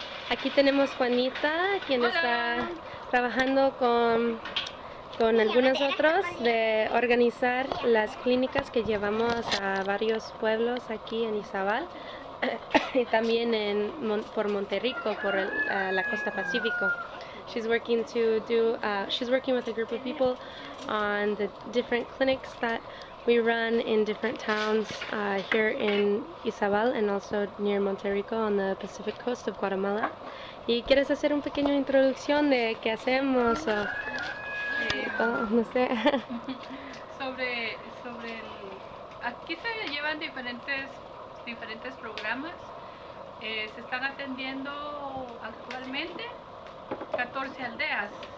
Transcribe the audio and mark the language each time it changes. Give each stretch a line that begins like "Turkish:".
Spanish: Aquí tenemos Juanita, quien está trabajando con algunos otros de organizar las clínicas que llevamos a varios pueblos aquí en Izabal y también en por Monterrico, por la costa Pacífico.
English: She's working with a group of people on the different clinics that we run in different towns here in Izabal and also near Monterrico on the Pacific coast of Guatemala.
Spanish: ¿Y quieres hacer un pequeño introducción de qué hacemos? No sé. sobre el, aquí se llevan diferentes programas. Se están atendiendo actualmente 14 aldeas.